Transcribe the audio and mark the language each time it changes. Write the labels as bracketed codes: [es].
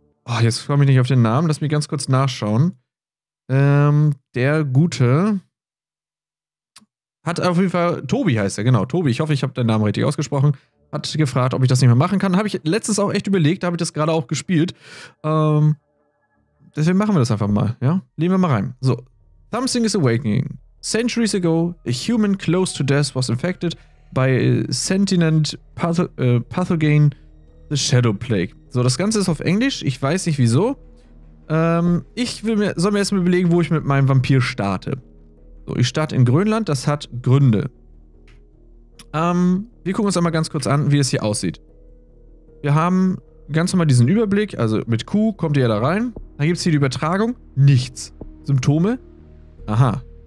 [de] Oh, jetzt komme ich nicht auf den Namen, lass mich ganz kurz nachschauen. Der Gute hat auf jeden Fall... Tobi heißt er, genau, Tobi. Ich hoffe, ich habe deinen Namen richtig ausgesprochen. Hat gefragt, ob ich das nicht mehr machen kann. Habe ich letztens auch echt überlegt, da habe ich das gerade auch gespielt. Deswegen machen wir das einfach mal, ja? Legen wir mal rein. So. [en] Something is awakening. Centuries ago, a human close to death was infected by a sentient pathogen, the Shadow Plague. [de] So, das Ganze ist auf Englisch. Ich weiß nicht, wieso. Soll mir erstmal überlegen, wo ich mit meinem Vampir starte. So, ich starte in Grönland. Das hat Gründe. Wir gucken uns einmal ganz kurz an, wie es hier aussieht. Wir haben ganz normal diesen Überblick. Also, mit Q kommt ihr ja da rein. Dann gibt es hier die Übertragung. Nichts. Symptome? Aha.